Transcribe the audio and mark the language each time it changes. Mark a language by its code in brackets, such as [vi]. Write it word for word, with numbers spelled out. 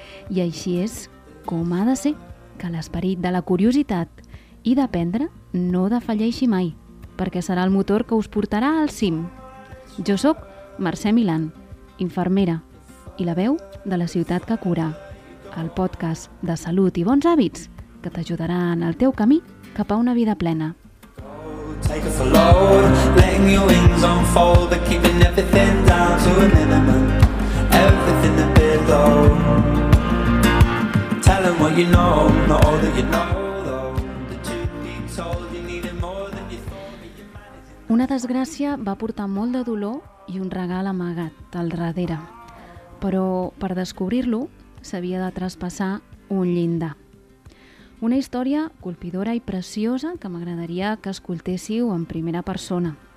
[ca] I així és com ha de ser, que l'esperit de la curiositat i d'aprendre no defalleixi mai, perquè serà el motor que us portarà al cim. Jo sóc Mercè Milan, infermera, i la veu de la ciutat que cura, el podcast de salut i bons hàbits que t'ajudarà en el teu camí cap a una vida plena. [en] Take us a load, letting your wings unfold, but keeping everything down to a minimum, everything a bit low, tell them what you know, not all that you know, though, that you've been told you needed more than you thought that you managed. [ca] Una desgràcia va portar molt de dolor i un regal amagat al darrere, però per descobrir-lo s'havia de traspassar un llindar. Una història colpidora i preciosa que m'agradaria que escoltéssiu en primera persona.